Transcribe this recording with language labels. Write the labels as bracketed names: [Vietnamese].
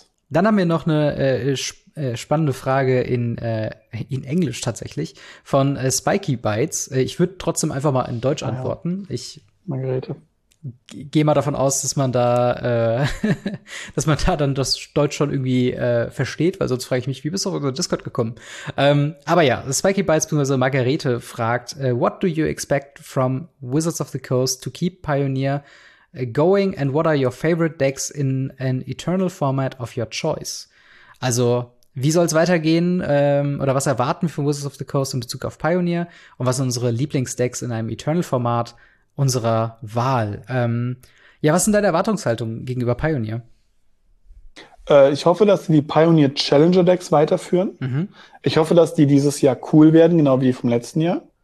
[German] Dann haben wir noch eine spannende Frage in Englisch tatsächlich von Spiky Bytes. Ich würde trotzdem einfach mal in Deutsch antworten. Ich Margarete. Gehe mal davon aus, dass man da dass man da dann das Deutsch schon irgendwie versteht, weil sonst frage ich mich, wie bist du auf unseren Discord gekommen? Aber ja, Spiky Bytes bzw. Margarete fragt, [English] what do you expect from Wizards of the Coast to keep Pioneer going and what are your favorite decks in an eternal format of your choice? [German] Also, wie soll es weitergehen oder was erwarten wir von Wizards of the Coast in Bezug auf Pioneer und was sind unsere Lieblingsdecks in einem Eternal-Format unserer Wahl? Ja, was sind deine Erwartungshaltungen gegenüber Pioneer? Ich hoffe, dass sie die Pioneer-Challenger-Decks weiterführen. Ich hoffe, dass die dieses Jahr cool werden, genau wie vom letzten Jahr.